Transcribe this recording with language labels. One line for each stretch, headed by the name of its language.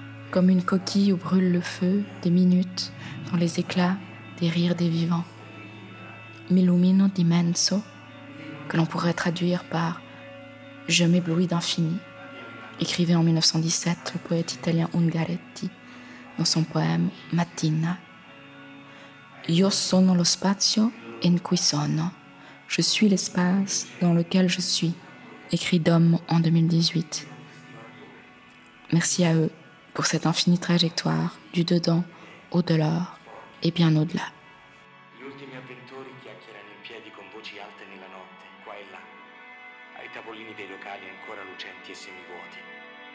French: Comme une coquille où brûle le feu, des minutes, dans les éclats, des rires des vivants.
Italian: M'illumino d'immenso,
French: que l'on pourrait traduire par « Je m'éblouis d'infini », écrivait en 1917 le poète italien Ungaretti dans son poème « Mattina ».
Italian: Io sono lo spazio in cui sono.
French: Je suis l'espace dans lequel je suis, écrit Dom en 2018. Merci à eux pour cette infinie trajectoire du dedans, au-delà et bien au-delà.
Italian: Gli ultimi avventori chiacchierano in piedi con voci alte nella notte, qua e là, ai tavolini dei locali ancora lucenti e semivuoti.